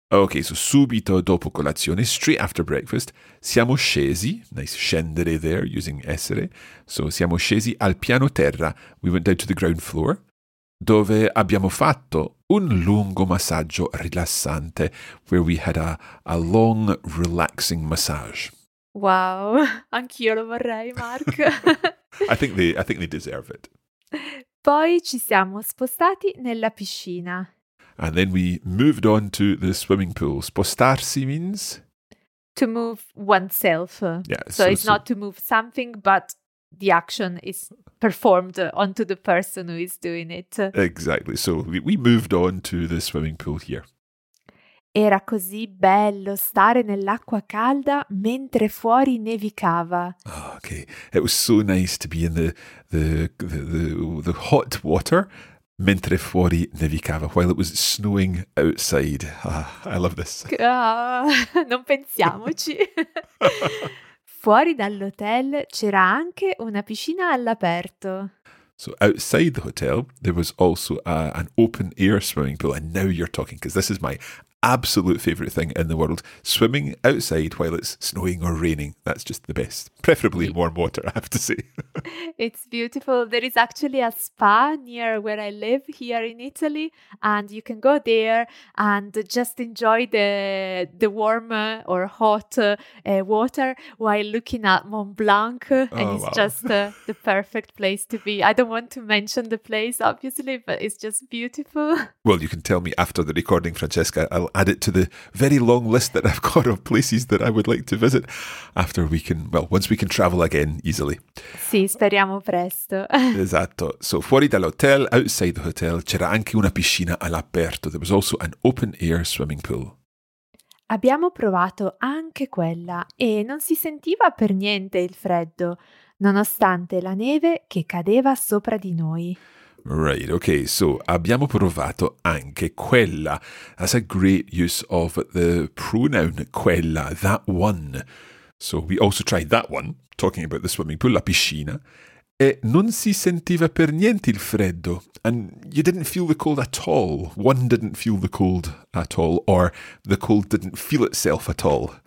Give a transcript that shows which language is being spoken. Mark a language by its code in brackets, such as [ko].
[en] Okay, so [it] subito dopo colazione, [en] straight after breakfast, [it] siamo scesi, [en] nice scendere there, using essere, so [it] siamo scesi al piano terra, [en] we went down to the ground floor, [it] dove abbiamo fatto un lungo massaggio rilassante, [en] where we had a long relaxing massage. [it] Wow, anch'io lo vorrei, Mark. [en] I think they deserve it. [it] Poi ci siamo spostati nella piscina. [en] And then we moved on to the swimming pool. Spostarsi means? To move oneself. Yeah, so it's not to move something, but the action is performed onto the person who is doing it. Exactly. So we moved on to the swimming pool here. [it] Era così bello stare nell'acqua calda mentre fuori nevicava. [en] Oh, okay, it was so nice to be in the hot water [it] mentre fuori nevicava, [en] while it was snowing outside. Ah, I love this. [it] Non pensiamoci. Fuori dall'hotel c'era anche una piscina all'aperto. [en] So outside the hotel, there was also an open-air swimming pool. And now you're talking, because this is my absolute favorite thing in the world. Swimming outside while it's snowing or raining. That's just the best. Preferably in warm water, I have to say. It's beautiful. There is actually a spa near where I live here in Italy. And you can go there and just enjoy the warm or hot water while looking at Mont Blanc. And it's just the perfect place to be. I don't want to mention the place, obviously, but it's just beautiful. Well, you can tell me after the recording, Francesca. I'll add it to the very long list that I've got of places that I would like to visit after we can, well, once we can travel again easily. [it] Sì, speriamo presto. Esatto. So fuori dall'hotel, [en] outside the hotel, [it] c'era anche una piscina all'aperto. [en] There was also an open-air swimming pool. [it] Abbiamo provato anche quella e non si sentiva per niente il freddo, nonostante la neve che cadeva sopra di noi. Right, okay, so abbiamo provato anche quella. [en] That's a great use of the pronoun quella, that one. So we also tried that one, talking about the swimming pool, [it] la piscina. E non si sentiva per niente il freddo. [en] And you didn't feel the cold at all. One didn't feel the cold at all, or the cold didn't feel itself at all.